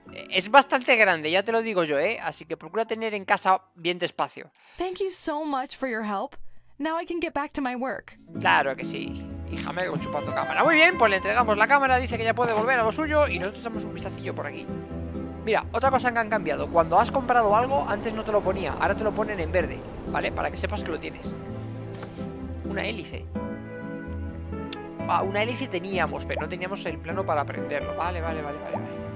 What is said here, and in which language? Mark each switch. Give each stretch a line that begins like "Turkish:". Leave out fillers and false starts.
Spanish: Es bastante grande, ya te lo digo yo, ¿eh? Así que procura tener en casa bien despacio.
English: Thank you so much for your help. Now I can get back to my work.
Spanish: Claro que sí. Hija, me voy chupando cámara. Muy bien, pues le entregamos la cámara. Dice que ya puede volver a lo suyo. Y nosotros damos un vistacillo por aquí. Mira, otra cosa que han cambiado. Cuando has comprado algo, antes no te lo ponía. Ahora te lo ponen en verde, ¿vale? Para que sepas que lo tienes. Una hélice. Ah, una hélice teníamos, pero no teníamos el plano para prenderlo. Vale, vale, vale, vale, vale.